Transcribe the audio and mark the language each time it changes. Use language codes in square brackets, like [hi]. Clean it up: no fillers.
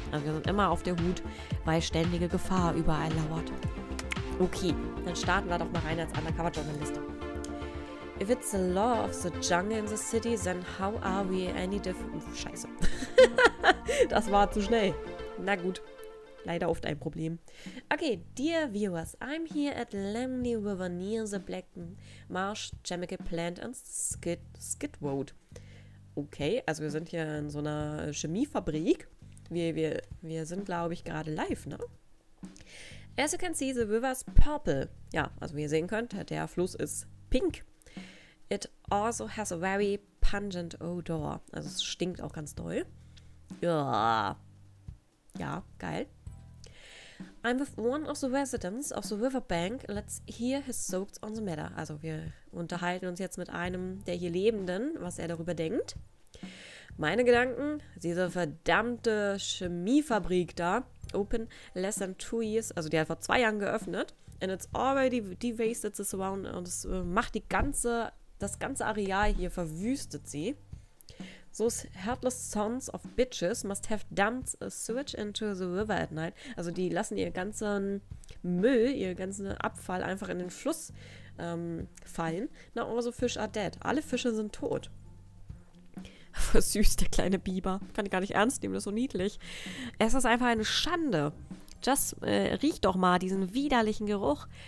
[de] Also wir sind immer auf der Hut, weil ständige Gefahr überall lauert. Okay, dann starten wir doch mal rein als Undercover-Journalist. [en] If it's the law of the jungle in the city, then how are we any different? [de] Scheiße. Das war zu schnell. Na gut. Leider oft ein Problem. [en] Okay, dear viewers, I'm here at Langley River near the Black Marsh Chemical Plant and Skid Road. [de] Okay, also wir sind hier in so einer Chemiefabrik. Wir sind, glaube ich, gerade live, ne? [en] As you can see, the river's purple. [de] Ja, also wie ihr sehen könnt, der Fluss ist pink. [en] It also has a very pungent odor. [de] Also es stinkt auch ganz doll. Ja, geil. [en] I'm with one of the residents of the riverbank. Let's hear his thoughts on the matter. [de] Also wir unterhalten uns jetzt mit einem der hier Lebenden, was er darüber denkt. Meine Gedanken, diese verdammte Chemiefabrik da, [en] open less than 2 years, [de] also die hat vor 2 Jahren geöffnet, [en] and it's already devastated the surrounding, [de] und es macht das ganze Areal hier, verwüstet sie. [en] Those heartless sons of bitches must have dumped a sewage into the river at night. [de] Also die lassen ihren ganzen Müll, ihren ganzen Abfall einfach in den Fluss fallen. [en] Now all the fish are dead. [de] Alle Fische sind tot. Voll süß, der kleine Biber. Kann ich gar nicht ernst nehmen, das ist so niedlich. Es ist einfach eine Schande. Just riech doch mal diesen widerlichen Geruch.